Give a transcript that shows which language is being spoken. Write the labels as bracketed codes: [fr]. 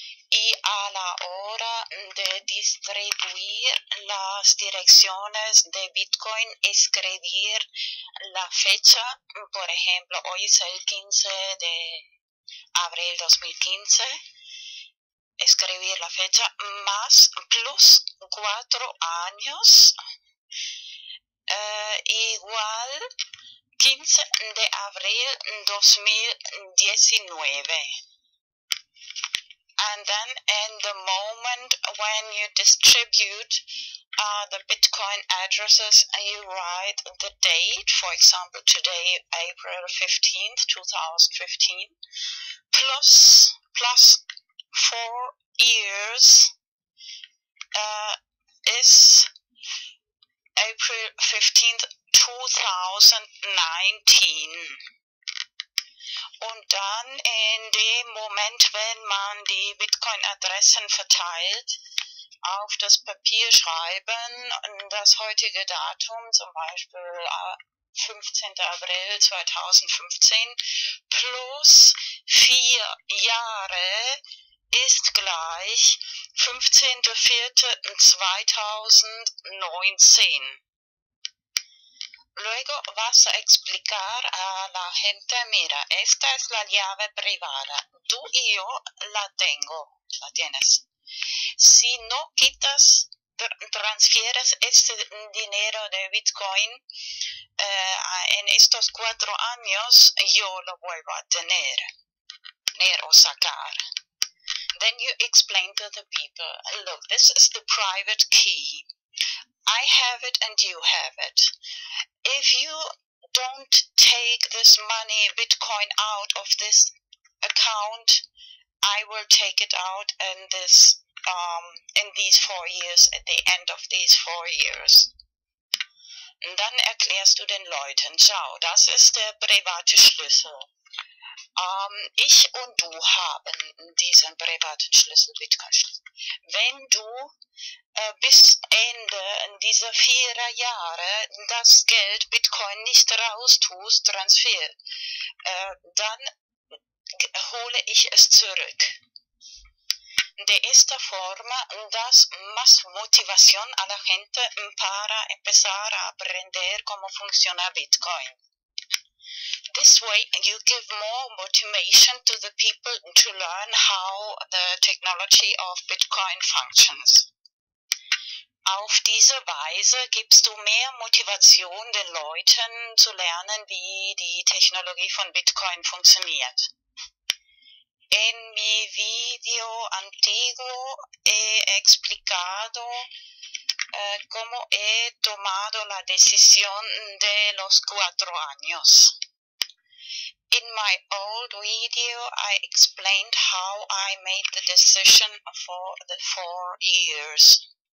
[es] Y a la hora de distribuir las direcciones de Bitcoin, escribir la fecha, por ejemplo, hoy es el 15 de abril 2015, escribir la fecha, más plus 4 años, igual 15 de abril 2019. [en] And then in the moment when you distribute the Bitcoin addresses, you write the date, for example, today, April 15th, 2015, plus 4 years is April 15th, 2019. [de] Und dann in dem Moment, wenn man die Bitcoin-Adressen verteilt, auf das Papier schreiben, das heutige Datum, zum Beispiel 15. April 2015, plus 4 Jahre ist gleich 15.04.2019. [es] Luego vas a explicar a la gente, mira, esta es la llave privada. Tú y yo la tengo, la tienes. Si no quitas, transfieres ese dinero de Bitcoin en estos 4 años, yo lo vuelvo a tener o sacar. [en] Then you explain to the people, look, this is the private key. I have it and you have it. If you don't take this money, Bitcoin, out of this account, I will take it out in this in these 4 years, at the end of these 4 years. [de] Und dann erklärst du den Leuten, schau, das ist der private Schlüssel. Ich und du haben diesen privaten Schlüssel, Bitcoin-Schlüssel. Wenn du bis Ende dieser 4 Jahre das Geld Bitcoin nicht raustust, Transfer, dann hole ich es zurück. [es] De esta forma das más motivación a la gente para empezar a aprender cómo funciona Bitcoin. [en] This way you give more motivation to the people to learn how the technology of Bitcoin functions. [de] Auf diese Weise gibst du mehr Motivation den Leuten zu lernen, wie die Technologie von Bitcoin funktioniert. [es] En mi video antiguo he explicado cómo he tomado la decisión de los 4 años. [en] In my old video, I explained how I made the decision for the 4 years.